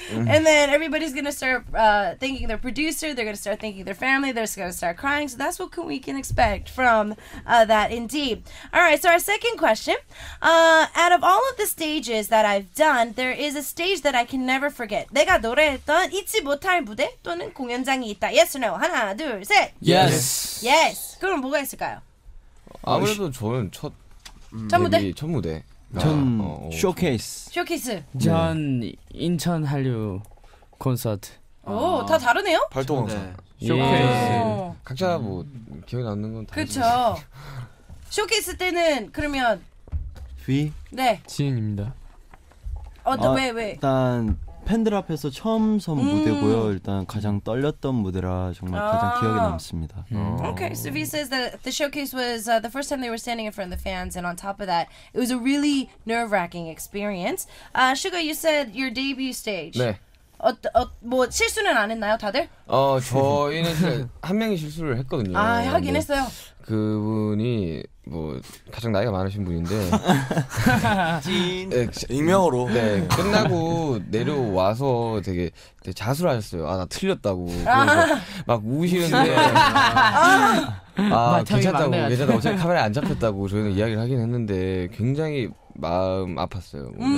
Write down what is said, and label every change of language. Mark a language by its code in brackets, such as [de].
[en] And then everybody's gonna start thanking their producer, they're gonna start thanking their family, they're gonna start crying. So that's what we can expect from that indeed. All right, so our second question. Out of all of the stages that I've done, there is a stage that I can never forget. [ko] 내가 노래했던 잊지 못할 무대 또는 공연장이 있다. [en] Yes or no? [ko] 하나, 둘, 셋. [en] Yes. [ko] Yes. 그럼 뭐가 있을까요? 아무래도 저는 첫... 첫무대? 첫무대 전 쇼케이스 쇼케이스 전 인천 한류 콘서트 오 다 다르네요? 발동왕사 쇼케이스 각자 뭐 기억에 남는 건 다 그쵸 쇼케이스 때는 그러면 휘? 네 지인입니다 어떤 왜? 왜? 일단 팬들 앞에서 처음 선 무대고요 일단 가장 떨렸던 무대라 정말 가장 기억에 남습니다 [en] Okay, so V says that the showcase was the first time they were standing in front of the fans and on top of that, it was a really nerve-wracking experience Suga, you said your debut stage [ko] 네 뭐 실수는 안 했나요 다들? 저희는 한 명이 실수를 했거든요 아, 하긴 뭐, 했어요 그분이 뭐 가장 나이가 많으신 분인데 진 익명으로 네 끝나고 내려와서 되게 자수를 하셨어요 아 나 틀렸다고 막 우시는데 아 괜찮다고 괜찮다 어차피 카메라에 안 잡혔다고 저희는 이야기를 하긴 했는데 굉장히 마음 아팠어요 오늘